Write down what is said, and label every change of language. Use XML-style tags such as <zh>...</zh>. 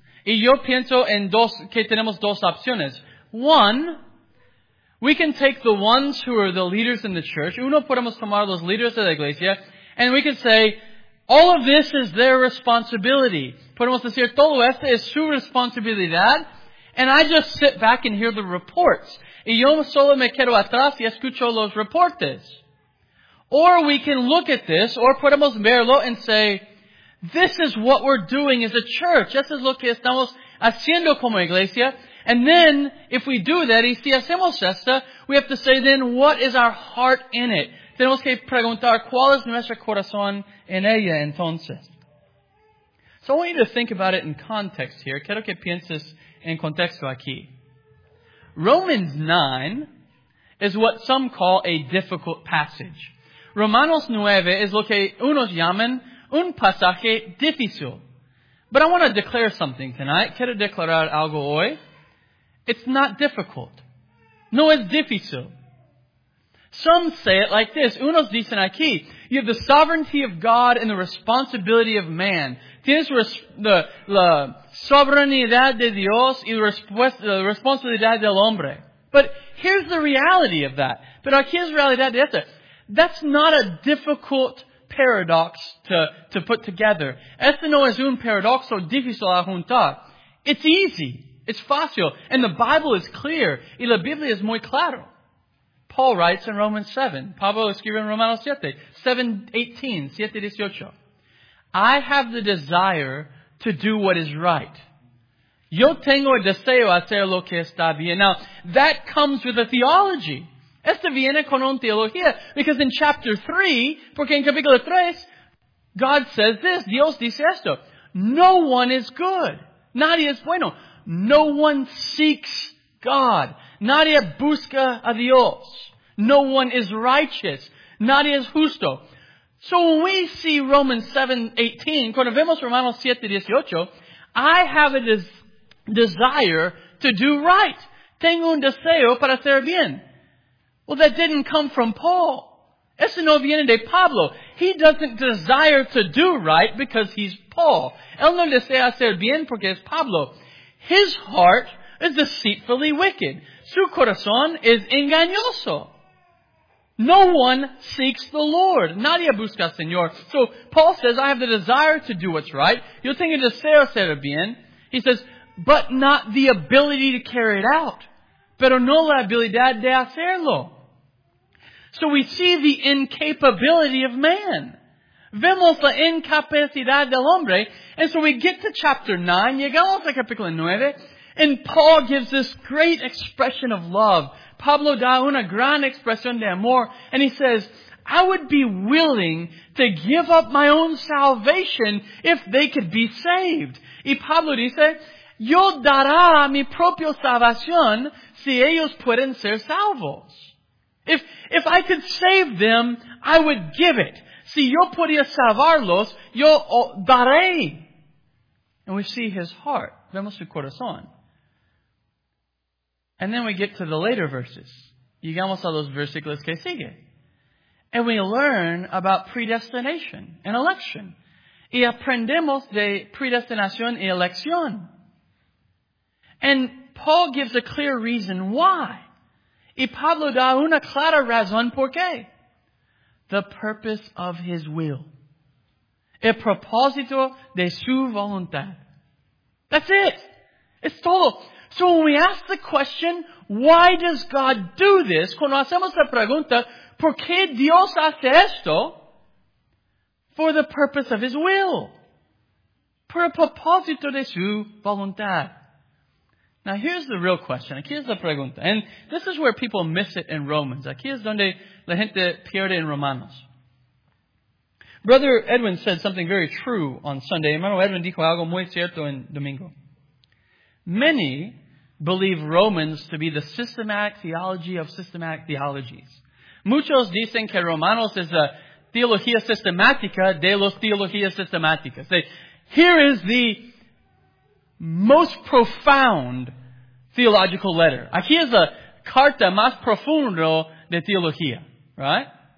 <es>Y yo pienso en dos, que tenemos dos opciones.</es> <en>One, we can take the ones who are the leaders in the church.</en> <es>Uno podemos tomar los líderes de la iglesia.</es> <en>And we can say, all of this is their responsibility.</en> <es>Podemos decir, todo esto es su responsabilidad.</es> <en>And I just sit back and hear the reports.</en> <es>Y yo solo me quedo atrás y escucho los reportes.</es> <en>Or we can look at this, or</en> <es>podemos verlo</es> <en>and say, this is what we're doing as a church.</en> <es>Esto es lo que estamos haciendo como iglesia.</es> <en>And then, if we do that,</en> <es>y si hacemos esto,</es> <en>we have to say then, what is our heart in it?</en> <es>Tenemos que preguntar, ¿cuál es nuestro corazón en ella entonces?</es> <en>So I want you to think about it in context here.</en> <es>Quiero que pienses en contexto aquí.</es> <en>Romans 9 is what some call a difficult passage.</en> <es>Romanos 9 is lo que unos llaman un pasaje difícil.</es> <en>But I want to declare something tonight.</en> <es>Quiero declarar algo hoy.</es> <en>It's not difficult.</en> <es>No es difícil.</es> <en>Some say it like this.</en> <es>Unos dicen aquí,</es> <en>you have the sovereignty of God and the responsibility of man.</en> <es>Tienes la soberanidad de Dios y la responsabilidad del hombre.</es> <en>But here's the reality of that.</en> <es>Pero aquí es realidad de esto.</es> <en>That's not a difficult paradox to put together.</en> <es>Este no es un paradoxo difícil a juntar.</es> <en>It's easy.</en> <es>It's fácil.</es> <en>And the Bible is clear.</en> <es>Y la Biblia es muy claro.</es> <en>Paul writes in Romans 7.</en> <es>Pablo escribe en Romanos 7. 7:18. 7:18.</es> <en>I have the desire to do what is right.</en> <es>Yo tengo el deseo hacer lo que está bien.</es> <en>Now, that comes with a theology.</en> <es>Esto viene con una teología.</es> <en>Because in chapter 3,</en> <es>porque en capítulo 3,</es> <en>God says this.</en> <es>Dios dice esto.</es> <en>No one is good.</en> <es>Nadie es bueno.</es> <en>No one seeks God.</en> <es>Nadie busca a Dios.</es> <en>No one is righteous.</en> <es>Nadie es justo.</es> <en>So when we see Romans 7:18,</en> <es>cuando vemos Romanos 7:18,</es> <en>I have a desire to do right.</en> <es>Tengo un deseo para hacer bien.</es> <en>Well, that didn't come from Paul.</en> <es>Eso no viene de Pablo.</es> <en>He doesn't desire to do right because he's Paul.</en> <es>Él no desea hacer bien porque es Pablo.</es> <en>His heart is deceitfully wicked.</en> <es>Su corazón es engañoso.</es> <en>No one seeks the Lord.</en> <es>Nadie busca al Señor.</es> <en>So Paul says, I have the desire to do what's right.</en> <es>Yo tengo deseo hacer bien.</es> <en>He says, but not the ability to carry it out.</en> <es>Pero no la habilidad de hacerlo.</es> <en>So we see the incapability of man.</en> <es>Vemos la incapacidad del hombre.</es> <en>And so we get to chapter 9.</en> <es>Llegamos a capítulo 9.</es> <en>And Paul gives this great expression of love.</en> <es>Pablo da una gran expresión de amor.</es> <en>And he says, I would be willing to give up my own salvation if they could be saved.</en> <es>Y Pablo dice, yo dará mi propia salvación si ellos pueden ser salvos.</es> <en>If I could save them, I would give it.</en> <es>Si yo podía salvarlos, yo daré.</es> <en>And we see his heart.</en> <es>Vemos su corazón.</es> <en>And then we get to the later verses.</en> <es>Llegamos a los versículos que sigue.</es> <en>And we learn about predestination and election.</en> <es>Y aprendemos de predestinación y elección.</es> <en>And Paul gives a clear reason why.</en> <es>Y Pablo da una clara razón por qué.</es> <en>The purpose of his will.</en> <es>El propósito de su voluntad.</es> <en>That's it. It's todo. So when we ask the question, why does God do this?</en> <es>Cuando hacemos la pregunta, ¿por qué Dios hace esto?</es> <en>For the purpose of his will.</en> <es>Por el propósito de su voluntad.</es> <en>Now here's the real question.</en> <es>Aquí es la pregunta.</es> <en>And this is where people miss it in Romans.</en> <es>Aquí es donde la gente pierde en Romanos.</es> <en>Brother Edwin said something very true on Sunday.</en> <es>Hermano Edwin dijo algo muy cierto en domingo.</es> <en>Many believe Romans to be the systematic theology of systematic theologies.</en> <es>Muchos dicen que Romanos es la teología sistemática de los teologías sistemáticas.</es> <en>Say, here is the most profound theological letter.</en> <es>Aquí es la carta más profundo de teología, right?</es>